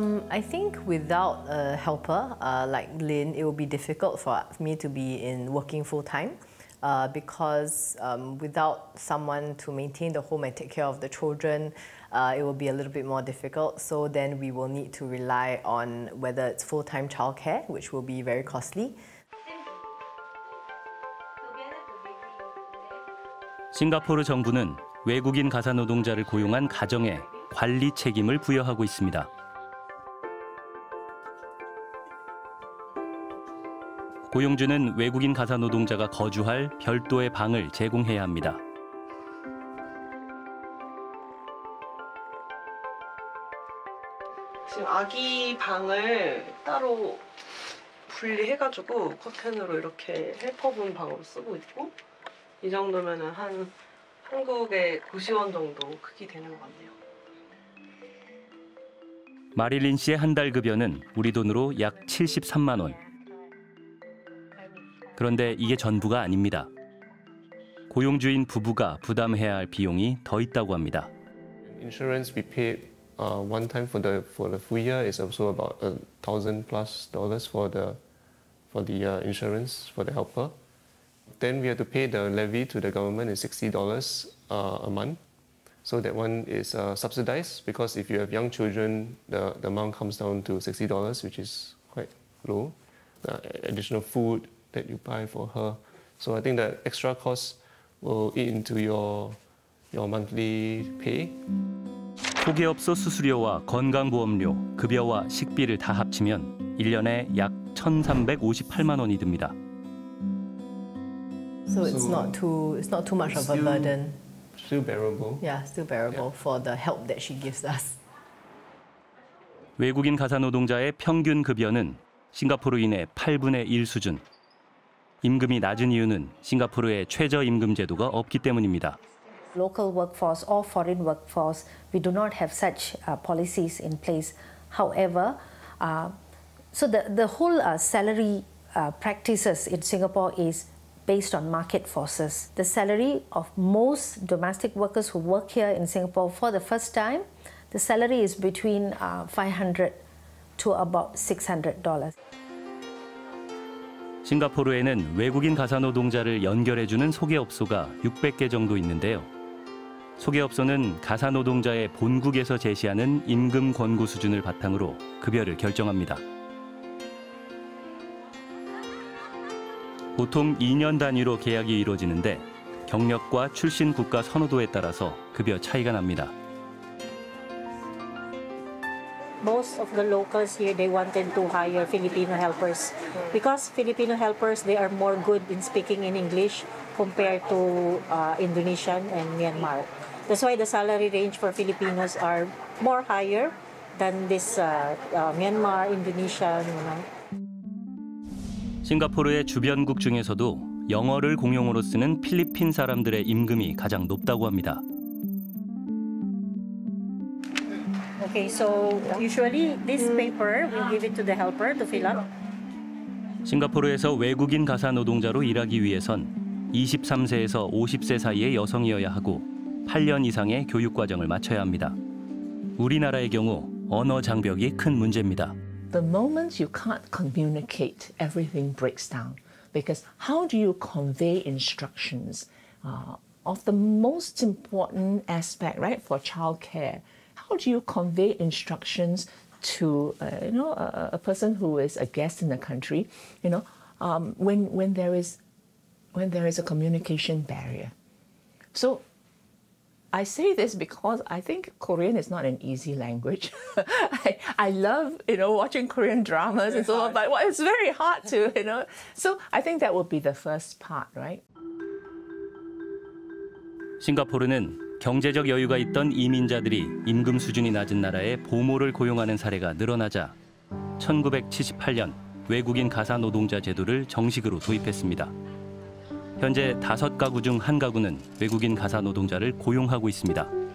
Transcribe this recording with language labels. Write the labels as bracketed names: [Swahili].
[English] I think without a helper like Lynn, it will be difficult for me to be in working full time because without someone to maintain the home and take care of the children, it will be a little bit more difficult. So then we will need to rely on whether it's full time childcare, which will be very costly. [Korean] 싱가포르 정부는 외국인 가사 노동자를 고용한 가정에 관리 책임을 부여하고 있습니다. 고용주는 외국인 가사 노동자가 거주할 별도의 방을 제공해야 합니다. 지금 아기 방을 따로 분리해가지고 커튼으로 이렇게 헬퍼분 방으로 쓰고 있고 이 정도면은 한 한국의 고시원 정도 크기 되는 것 같네요. 마릴린 씨의 한 달 급여는 우리 돈으로 약 73만 원. 그런데 이게 전부가 아닙니다. 고용주인 부부가 부담해야 할 비용이 더 있다고 합니다. [English] Insurance we paid one time for the full year is also about $1,000+ for the insurance for the helper. Then we have to pay the levy to the government is $60 a month. So that one is subsidized because if you have young children, the amount comes down to $60, which is quite low. The additional food that you buy for her. So I think that extra cost will eat into your monthly pay. [Korean] 포기업소 수수료와 건강보험료, 급여와 식비를 다 합치면 1년에 약 1,358만 원이 듭니다. [English] So it's not too much of a burden. Still bearable. Yeah, still bearable for the help that she gives us. [Korean] 외국인 가사노동자의 평균 급여는 싱가포르인의 8분의 1 수준. 임금이 낮은 이유는 싱가포르의 최저임금 제도가 없기 때문입니다. [English] Local workforce or foreign workforce, we do not have such policies in place. However, so the whole salary practices in Singapore is based on market forces. The salary of most domestic workers who work here in Singapore for the first time, the salary is between $500 to about $600. [Korean] 싱가포르에는 외국인 가사노동자를 연결해주는 소개업소가 600개 정도 있는데요. 소개업소는 가사노동자의 본국에서 제시하는 임금 권고 수준을 바탕으로 급여를 결정합니다. 보통 2년 단위로 계약이 이루어지는데 경력과 출신 국가 선호도에 따라서 급여 차이가 납니다. [English] most of the locals here, they wanted to hire Filipino helpers. Because Filipino helpers, they are more good in speaking in English compared to Indonesian and Myanmar. That's why the salary range for Filipinos are more higher than this Myanmar, Indonesian, you know. [Korean] 싱가포르의 주변국 중에서도 영어를 공용어로 쓰는 필리핀 사람들의 임금이 가장 높다고 합니다. [English] Okay, so usually this paper we give it to the helper to fill up. [Korean] 싱가포르에서 외국인 가사 노동자로 일하기 위해선 23세에서 50세 사이의 여성이어야 하고 8년 이상의 교육 과정을 마쳐야 합니다. 우리나라의 경우 언어 장벽이 큰 문제입니다. [English] The moment you can't communicate, everything breaks down. Because how do you convey instructions of the most important aspect, right, for childcare? How do you convey instructions to a person who is a guest in the country? You know, when there is a communication barrier. So I say this because I think Korean is not an easy language. I love, you know, watching Korean dramas it's and so hard. On, but well, it's very hard to, you know. So I think that would be the first part, right? [Korean] 싱가포르는 경제적 여유가 있던 이민자들이 임금 수준이 낮은 나라에 보모를 고용하는 사례가 늘어나자 1978년 외국인 가사 노동자 제도를 정식으로 도입했습니다. 현재 다섯 가구 중 한 가구는 외국인 가사 노동자를 고용하고 있습니다.